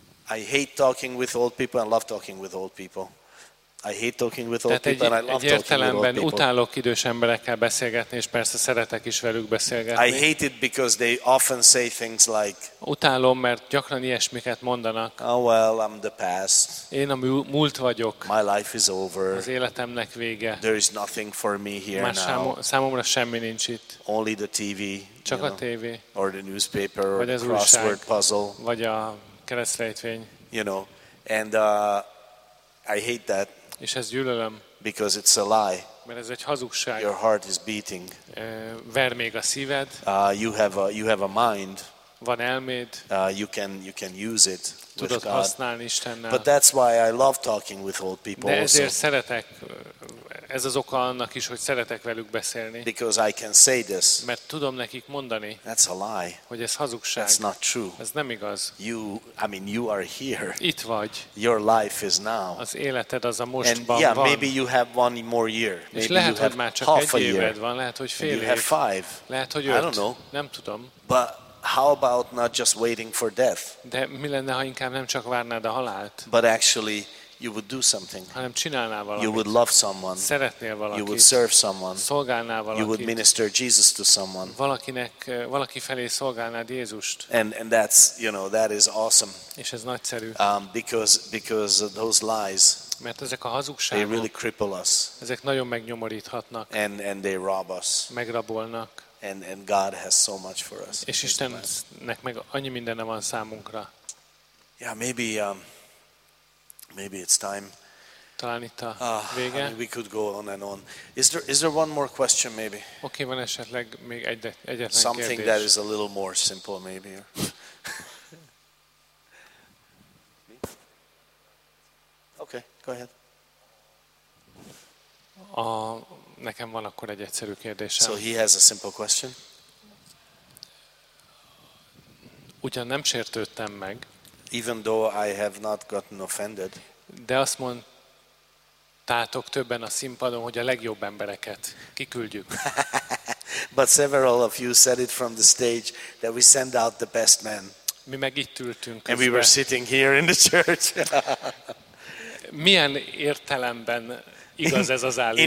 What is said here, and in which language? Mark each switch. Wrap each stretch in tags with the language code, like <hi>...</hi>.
<en>And I hate talking with old people. I love talking with old people. I hate talking with old people. And I love talking with old people.</en> <hu>Utálok idős emberekkel beszélgetni, és persze szeretek is velük beszélgetni.</hu> <en>I hate it because they often say things like.</en> <hu>Utálom, mert gyakran ilyesmiket mondanak.</hu> <en>Oh well, I'm the past.</en> <hu>Én a múlt vagyok.</hu> <en>My life is over.</en> <hu>Az életemnek vége.</hu> <en>There is nothing for me here</en> <hu>már</hu> <en>now.</en> <hu>Számomra semmi nincs itt.</hu> <en>Only the TV.</en> <hu>Csak a TV.</hu> <en>Or the newspaper.</en> <hu>Vagy az</hu> <en>újság. Crossword puzzle.</en> <hu>Vagy a keresztrejtvény.</hu> <en>You know, and I hate that.</en> <hu>És ez gyűlölöm.</hu> <en>Because it's a lie.</en> <hu>Mert ez egy hazugság.</hu> <en>Your heart is beating.</en> <hu>Ver még a szíved.</hu> <en>You have a mind.</en> <hu>Van elméd.</hu> <en>You can use it.</en> <hu>Tudod használni Istennel.</hu> <en>But that's why I love talking with old people.</en> <hu>De ezért szeretek. Ez az oka annak is, hogy szeretek velük beszélni.</hu> <en>Because I can say this.</en> <hu>Mert tudom nekik mondani.</hu> <en>That's a lie.</en> <hu>Hogy ez hazugság.</hu> <en>That's not true.</en> <hu>Ez nem igaz.</hu> <en>You are here.</en> <hu>Itt vagy.</hu> <en>Your life is now.</en> <hu>Az életed az a mostban van.</hu> <en>And yeah, maybe you have one more year. Maybe</en> <hu>és lehet,</hu> <en>you have</en> <hu>már csak half egy éved van. Lehet, hogy fél</hu> <en>év. You have five.</en> <hu>Lehet, hogy öt.</hu> <en>I don't know.</en> <hu>Nem tudom.</hu> <en>But how about not just waiting for death?</en> <hu>De mi lenne, ha inkább nem csak várnád a halált?</hu> <en>But actually, you would do something.</en> <hu>Hanem csinálnál valamit.</hu> <en>You would love someone.</en> <hu>Szeretnél valakit.</hu> <en>You would serve someone.</en> <hu>Szolgálnál valakit.</hu> <en>You would minister Jesus to someone.</en> <hu>Valaki felé szolgálnád Jézust.</hu> <en>And that's, you know, that is awesome.</en> <hu>És ez nagyszerű.</hu> <en>Because those lies.</en> <hu>Mert ezek a hazugságok.</hu> <en>They really cripple us.</en> <hu>Ezek nagyon megnyomoríthatnak.</hu> <en>And they rob us.</en> <hu>Megrabolnak.</hu> <en>And God has so much for us.</en> <hu>És Istennek meg annyi mindene van számunkra.</hu> <en>Yeah, maybe it's time.</en> <hu>Talán itt a vége.</hu> <en>I mean, we could go on and on. Is there one more question maybe?</en> <hu>Okay, van esetleg még egyetlen kérdés.</hu> <en>Something that is a little more simple maybe. Okay, go ahead.</en> <hu>Nekem van akkor egy egyszerű kérdésem.</hu> <en>So he has a simple question.</en> <hu>Ugyan nem sértődtem meg.</hu> <en>Even though I have not gotten offended.</en> <hu>De azt mondtátok többen a színpadon, hogy a legjobb embereket kiküldjük.</hu> <en>But several of you said it from the stage that we send out the best men.</en> <hu>Mi meg itt ültünk.</hu> <en>And we were sitting here in the church.</en> <hu>Milyen értelemben igaz ez az állítás?</hu>